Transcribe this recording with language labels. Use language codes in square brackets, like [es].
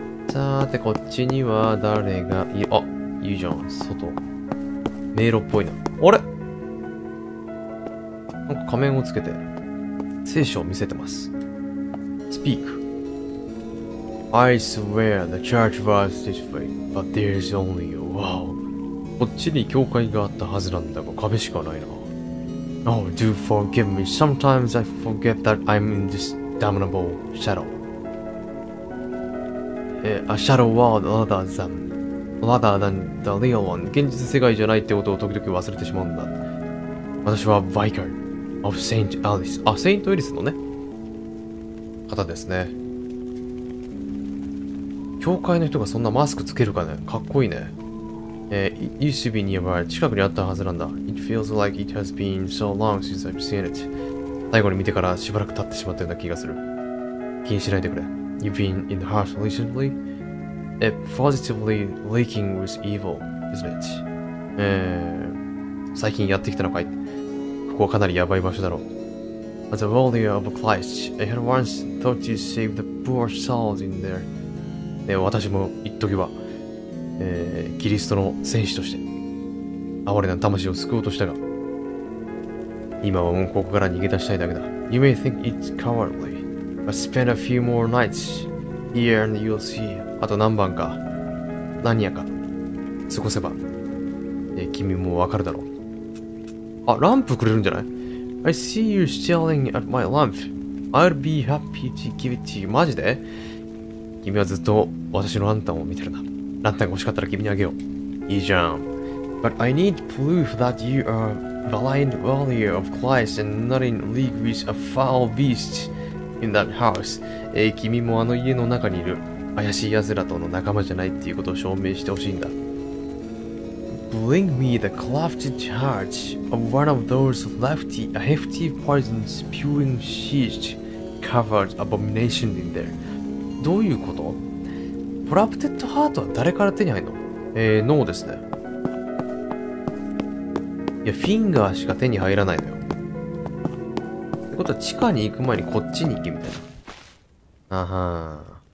[ja] さーて、こっちには誰がいる？あ、いいじゃん、外。迷路っぽいな。あれ？なんか仮面をつけて、聖書を見せてます。 [en] Speak. I swear the church was this way, but there's only a wall. [ja] こっちに教会があったはずなんだが、壁しかないな。 [en] Oh, do forgive me. Sometimes I forget that I'm in this damnable shadow. A shadow world rather than the real one. [ja] 現実世界じゃないってことを時々忘れてしまうんだ。私は Vicar of Saint Alice. あ、セイントエリスのね、方ですね。教会の人がそんなマスクつけるかね。かっこいいね。 [en] It used to be nearby. [ja] 近くにあったはずなんだ。 [en] It feels like it has been so long since I've seen it. [ja] 最後に見てからしばらく経ってしまったような気がする。気にしないでくれ。 [en] You've been in the house recently? It positively leaking with evil, isn't it? [ja] 最近やってきたのかい？ここはかなりやばい場所だろう。 [en] As a warrior of Christ, I had once thought to save the poor souls in there. [ja] 私も一時は、キリストの戦士として、哀れな魂を救おうとしたが、今はもうここから逃げ出したいだけだ。 [en] You may think it's cowardly. I spent a few more nights here and you'll see. [ja] あと何番か、何夜か、過ごせば、君もわかるだろう。あ、ランプくれるんじゃない？ [en] I see you staring at my lamp. I'll be happy to give it to you. [ja] マジで？君はずっと私のランタンを見てるな。ランタンが欲しかったら君にあげよう。いいじゃん。 [en] But I need proof that you are valiant warrior of Christ and not in league with a foul beast. In that house. [ja] 君もあの家の中にいる怪しい奴らとの仲間じゃないっていうことを証明してほしいんだ。 [en] Bring me the crafted heart of one of those lefty, a hefty poison spewing sheet covered abomination in there. [ja] どういうこと？プラプテッドハートは誰から手に入るの？脳ですね。いや、フィンガーしか手に入らないのよ。ってことは地下に行く前にこっちに行けみたいな。あはん。